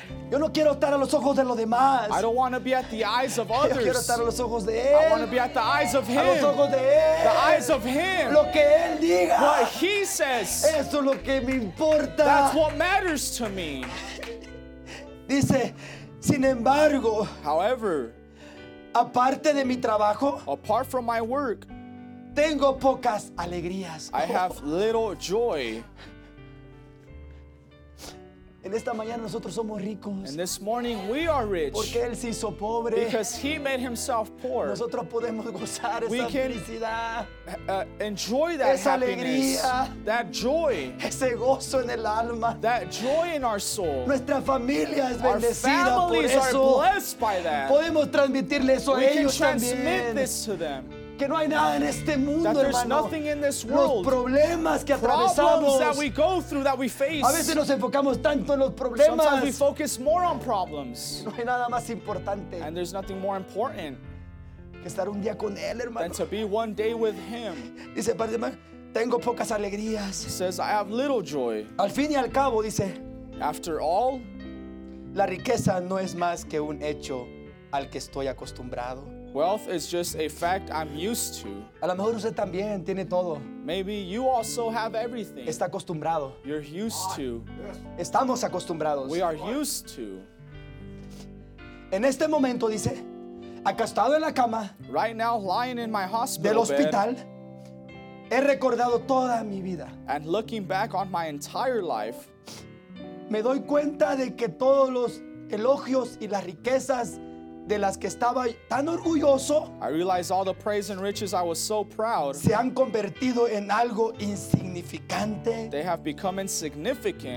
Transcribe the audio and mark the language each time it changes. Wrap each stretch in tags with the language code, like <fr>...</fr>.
<es>Yo no quiero estar a los ojos de los demás.</es> <en>I don't want to be at the eyes of others.</en> <es>Yo quiero estar a los ojos de él.</es> <en>I want to be at the eyes of him.</en> <es>A los ojos de él.</es> <en>The eyes of him.</en> <es>Lo que él diga.</es> <en>What he says.</en> <es>Eso es lo que me importa.</es> <en>That's what matters to me.</en> <es>Dice, sin embargo.</es> <en>However.</en> <es>Aparte de mi trabajo.</es> <en>Apart from my work.</en> <es>Tengo pocas alegrías.</es> <en>I have little joy.</en> <es>En esta mañana nosotros somos ricos.</es> <en>And this morning we are rich.</en> <es>Porque él se hizo pobre.</es> <en>Because he made himself poor.</en> <es>Nosotros podemos gozar</es> <en>we</en> <es>esa felicidad.</es> <en>Enjoy that</en> <es>esa alegría.</es> <en>That joy.</en> <es>Ese gozo en el alma.</es> <en>That joy in our soul.</en> <es>Nuestra familia es bendecida</es> <en>our families</en> <es>por eso.</es> <en>Are blessed by that.</en> <es>Podemos transmitirle eso</es> <en>we</en> <es>a ellos</es> <en>can transmit</en> <es>también.</es> <en>This to them.</en> <es>Que no hay nada en este mundo,</es> <en>that there's</en> <es>hermano.</es> <en>Nothing in this world.</en> <es>Los problemas que</es> <en>problems</en> <es>atravesamos.</es> <en>That we go through, that we face.</en> <es>A veces nos enfocamos tanto en los problemas.</es> <en>Sometimes we focus more on problems.</en> <es>No hay nada más importante.</es> <en>And there's nothing more important.</en> <es>Que estar un día con él, hermano.</es> <en>Than to be one day with him.</en> <es>Dice, padre, tengo pocas alegrías.</es> <en>He says, I have little joy.</en> <es>Al fin y al cabo, dice.</es> <en>After all.</en> <es>La riqueza no es más que un hecho al que estoy acostumbrado.</es> <en>Wealth is just a fact I'm used to.</en> <es>A lo mejor usted también tiene todo.</es> <en>Maybe you also have everything.</en> <es>Está acostumbrado.</es> <en>You're used to.</en> <es>Estamos acostumbrados.</es> <en>We are used to.</en> <es>En este momento, dice, acostado en la cama.</es> <en>Right now, lying in my hospital bed.</en> <es>Del hospital. He recordado toda mi vida.</es> <en>And looking back on my entire life.</en> <es>Me doy cuenta de que todos los elogios y las riquezas de las que estaba tan orgulloso,</es> <en>I realized all the praise and riches I was so proud,</en> <es>se han convertido en algo insignificante.</es> <en>They have become insignificant</en>